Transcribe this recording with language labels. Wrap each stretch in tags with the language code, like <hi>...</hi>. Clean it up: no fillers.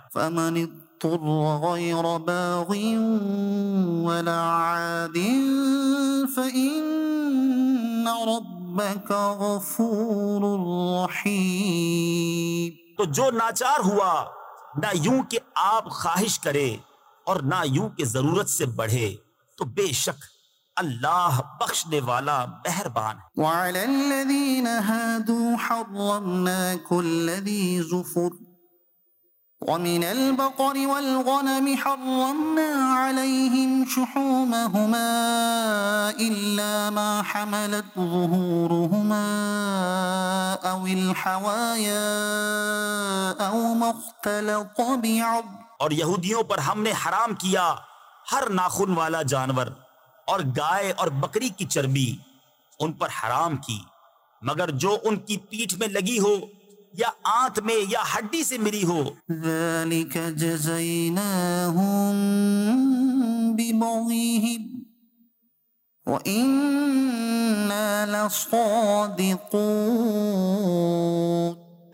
<ar>فمن اضطر غیر باغ ولا عاد فإن ربک غفور رحیم</ar> <ur>تو جو ناچار ہوا نہ یوں کہ آپ خواہش کرے اور نہ یوں کہ ضرورت سے بڑھے تو بے شک اللہ بخشنے والا مہربان ہے</ur> <ar>وَعَلَى الَّذِينَ هَادُوا حَرَّمْنَا كُلَّ ذِي زُفُرٍ ومن البقر والغنم حرمنا عليهم شحومهما إلا ما حملت ظهورهما أو الحوايا أو ما اختلط بعض</ar> <ur>اور یہودیوں پر ہم نے حرام کیا ہر ناخن والا جانور اور گائے اور بکری کی چربی ان پر حرام کی مگر جو ان کی پیٹھ میں لگی ہو یا آنت میں یا ہڈی سے ملی ہو</ur> <ar>ذَلِكَ جَزَيْنَاهُمْ بِبَغِيهِمْ وَإِنَّا لَصَادِقُونَ</ar>